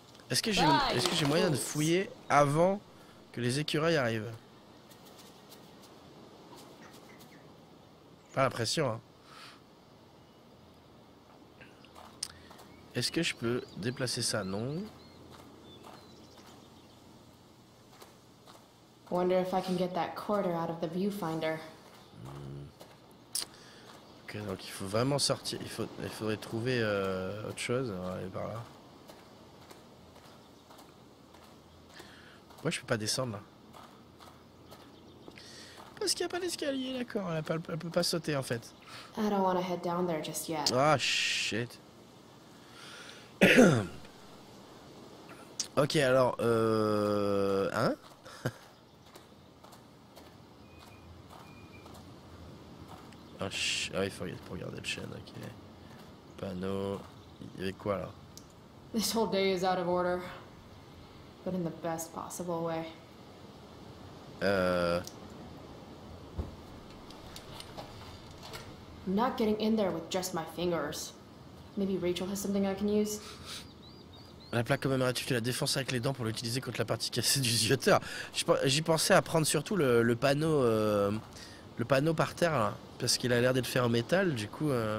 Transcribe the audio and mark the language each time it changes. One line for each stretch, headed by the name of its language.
French: Est-ce que j'ai moyen de fouiller avant que les écureuils arrivent? Pas l'impression, hein. Est-ce que je peux déplacer ça? Non.
English: Wonder if I can get that quarter out of the viewfinder.
French: Ok, donc il faut vraiment sortir. Il faudrait trouver autre chose. On va aller par là. Pourquoi je peux pas descendre là? Parce qu'il n'y a pas d'escalier, d'accord. Elle peut pas sauter en fait.
English: I don't want to head down there just yet. Ah shit.
French: Ok, alors hein? Ah, il faut regarder le chêne, ok. Panneau. Il y avait quoi là?
English: This whole day is out of order. But in the best possible way. I'm not getting in there with just my fingers. Maybe Rachel has something I can use.
French: La plaque commémorative, tu la défonces avec les dents pour l'utiliser contre la partie cassée du zioteur. J'y pensais à prendre surtout le panneau. Le panneau par terre là, parce qu'il a l'air d'être fait en métal, du coup.